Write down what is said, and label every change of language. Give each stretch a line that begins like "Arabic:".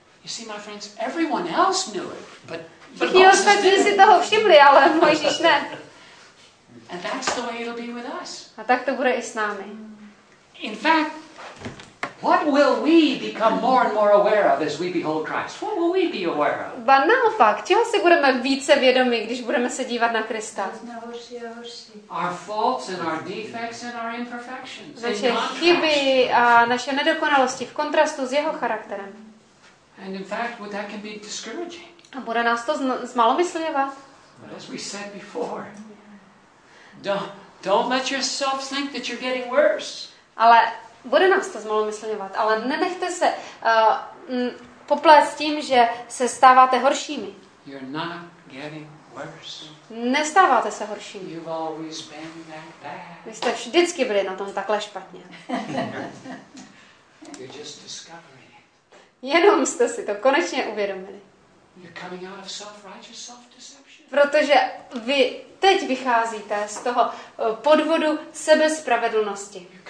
English: You see, my friends, everyone else knew it, but Moses didn't.
Czech: Všichni si toho všimli, ale Mojžíš ne.
English: And that's the way it'll be with us.
Czech: A tak to bude i s námi.
English: In fact, what will we become more and more aware of as we behold Christ? What will we be aware of?
Czech: Ba naopak, čeho si budeme více vědomi, když budeme se dívat na Krista?
English: Our faults and our defects and our imperfections.
Czech: Naše chyby a naše nedokonalosti v kontrastu s jeho charakterem.
English: And in fact, would that can be discouraging?
Czech: A bude nás to zmalomyslivat?
English: As we said before, don't let yourself think that you're getting worse.
Czech: Ale bude nás to zmalomyslňovat, ale nenechte se poplést tím, že se stáváte horšími.
English: You're not getting worse.
Czech: Nestáváte se horšími.
English: You've always been that bad.
Czech: Vy jste vždycky byli na tom takhle špatně.
English: You're just discovering it.
Czech: Jenom jste si to konečně uvědomili.
English: You're coming out of self-righteous self-deception.
Czech: Protože vy teď vycházíte z toho podvodu sebespravedlnosti.